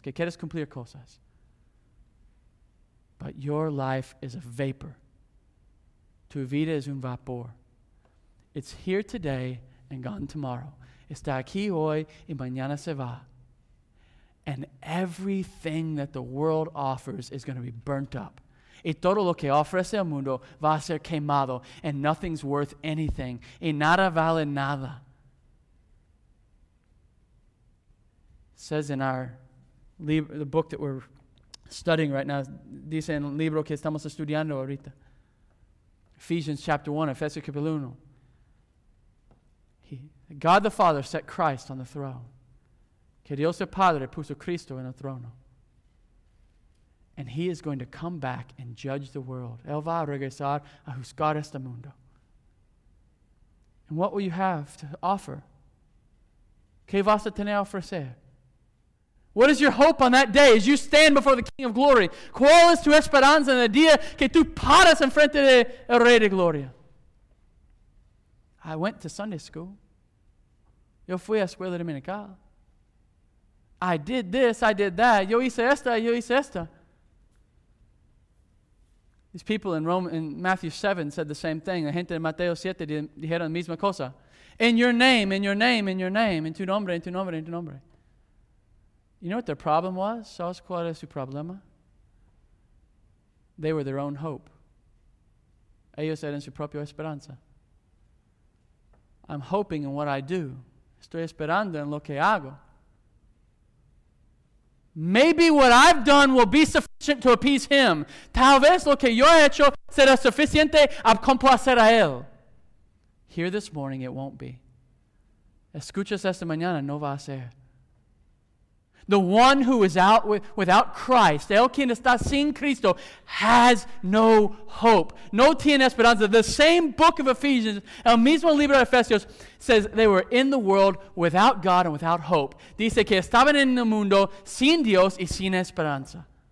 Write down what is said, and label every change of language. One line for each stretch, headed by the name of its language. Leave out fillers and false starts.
Spanish: Que quieres cumplir cosas.
English: But your life is a vapor.
Spanish: Tu vida es un vapor.
English: It's here today and gone tomorrow.
Spanish: está aquí hoy y mañana se va.
English: And everything that the world offers is going to be burnt up.
Spanish: Y todo lo que ofrece el mundo va a ser quemado.
English: And nothing's worth anything.
Spanish: Y nada vale nada.
English: It says in the book that we're studying right now,
Spanish: dice en el libro que estamos estudiando ahorita,
English: Ephesians chapter 1,
Spanish: Efesios capítulo 1.
English: God the Father set Christ on the throne.
Spanish: Que Dios el Padre puso Cristo en el trono.
English: And he is going to come back and judge the world.
Spanish: Él va a regresar a juzgar este mundo.
English: And what will you have to offer?
Spanish: ¿Qué vas a tener a ofrecer?
English: What is your hope on that day as you stand before the King of Glory?
Spanish: ¿Cuál es tu esperanza en el día que tú paras en frente del Rey de Gloria?
English: I went to Sunday school.
Spanish: Yo fui a escuela dominical.
English: I did this, I did that.
Spanish: Yo hice esta, yo hice esta.
English: These people in Matthew 7 said the same thing.
Spanish: La gente de Mateo 7 dijeron la misma cosa.
English: In your name, in your name, in your name, in
Spanish: tu nombre, in tu nombre, in tu nombre.
English: You know what their problem was?
Spanish: ¿Sabes cuál es su problema?
English: They were their own hope.
Spanish: Ellos eran su propia esperanza.
English: I'm hoping in what I do.
Spanish: Estoy esperando en lo que hago.
English: Maybe what I've done will be sufficient to appease him.
Spanish: Tal vez lo que yo he hecho será suficiente a complacer a él.
English: Here this morning, it won't be.
Spanish: Escuchas esta mañana, no va a ser.
English: The one who is out without Christ,
Spanish: el quien está sin Cristo,
English: has no hope.
Spanish: No tiene esperanza.
English: The same book of Ephesians,
Spanish: el mismo libro de Efesios,
English: says they were in the world without God and without hope.
Spanish: Dice que estaban en el mundo sin Dios y sin esperanza.